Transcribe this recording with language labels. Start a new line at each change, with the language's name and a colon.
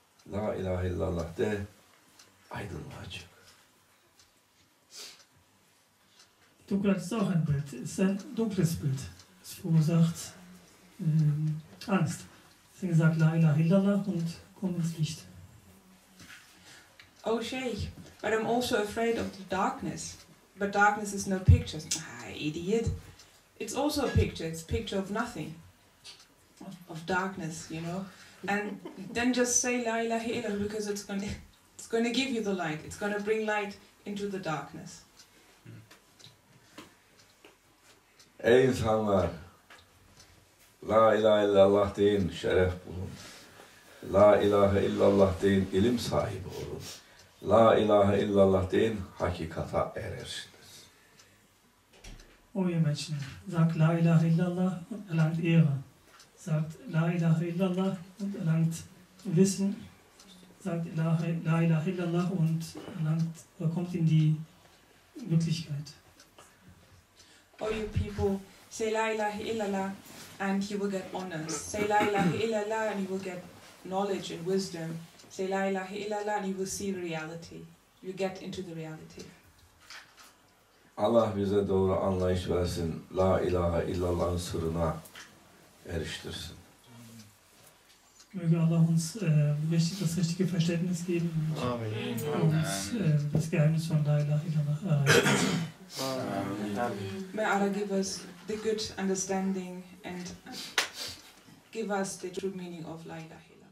Turkish: La ilahe illallah de, aydınlığa çık.
German: Dunkelheit ist auch ein Bild, es ist ein dunkles Bild. Es verursacht Angst. Deswegen sagt La ilaha illallah und komm ins Licht.
English: Oh Sheikh, but I'm also afraid of the darkness. But darkness is no pictures. Ah, idiot. It's also a picture, it's a picture of nothing. Of darkness, you know. And then just say La ilaha illallah, because it's gonna give you the light. It's gonna bring light into the darkness.
Turkish: Ey insanlar, La ilahe illallah deyin, şeref bulun. La ilahe illallah deyin, ilim sahibi olun. La ilahe illallah deyin, hakikata erersiniz.
German: O ihr Menschen, sagt La ilahe illallah und erlangt Ehre. Sagt La ilahe illallah und erlangt Wissen. Sagt La ilahe illallah und erlangt, kommt in die Wirklichkeit.
English: All you people, say La ilaha illallah and you will get honors. Say La ilaha illallah and you will get knowledge and wisdom. Say La ilaha illallah and you will see reality. You get into the reality.
Turkish: Allah bize doğru anlayış versin. La ilaha illallah'ın sırrına eriştirsin.
German: Möge Allah uns das richtige Verständnis geben und uns das Geheimnis von La ilaha illallah erreichen.
English: May Allah give us the good understanding and give us the true meaning of La ilaha illallah.